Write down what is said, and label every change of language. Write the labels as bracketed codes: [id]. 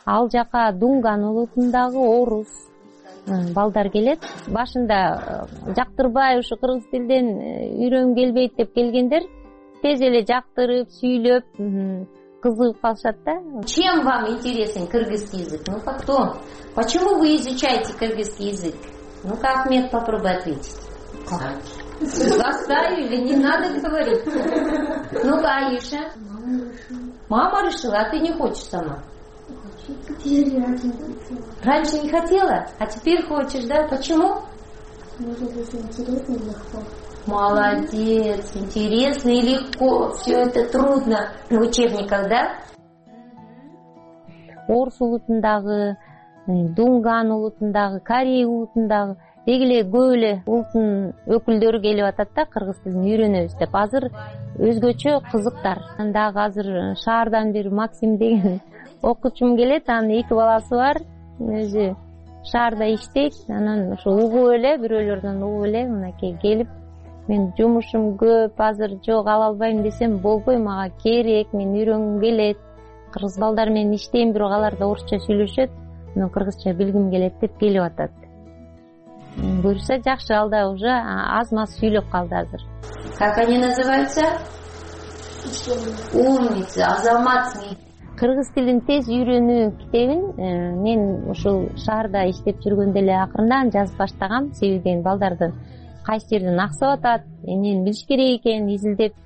[ky] Ал жака Дунган улутундагы орус балдар келет. Башында жактырбай ушу кыргыз тилден үйрөнгүм келбейт деп келгендер тез эле жактырып, сүйлөп кызыгып калышат да. [ru] Чем вам интересен кыргызский язык? Ну по кто? Почему вы изучаете кыргызский язык? Ну-ка, Ахмед, попробуй ответить. Заставили, не надо говорить. Ну-ка, Аиша. Мама решила, а ты не хочешь сама? Раньше не хотела, а теперь хочешь, да? Почему? Молодец, интересно и легко. Все это трудно в учебниках, да? [ky] Орус улутундагы, Дунган улутундагы, Корей улутундагы, деги эле көп эле улуттун өкүлдөрү келип атат да, кыргыз тилин үйрөнөбүз деп. Азыр өзгөчө кызыктар. Дагы азыр шаардан бир Максим деген окуучум келет, анын 2 баласы бар. Өзү шаарда иштейт. Анан ошо угуп эле, бирөөлөрдөн угуп эле мынакей келип, мен жумушум көп, азыр жок, ала албайм десем болбой, мага керек, мен үйрөнгүм келет. Кыргыз балдар менен иштейм, бирок алар да орусча сүйлөшөт, мен кыргызча билгим келет деп келип атат. Буюрса жакшы, ал да уже аз-маз сүйлөп калды азыр. [ru] Как они называются? Умницы, Азаматсың. [ky] кыргыз тилин тез үйрөнүү китебин мен ушул шаарда иштеп жүргөндө эле акырындан жазып баштагам. Себеби деген балдардын кайсы жерден аксап атат, эмнени билиш керек экен изилдеп.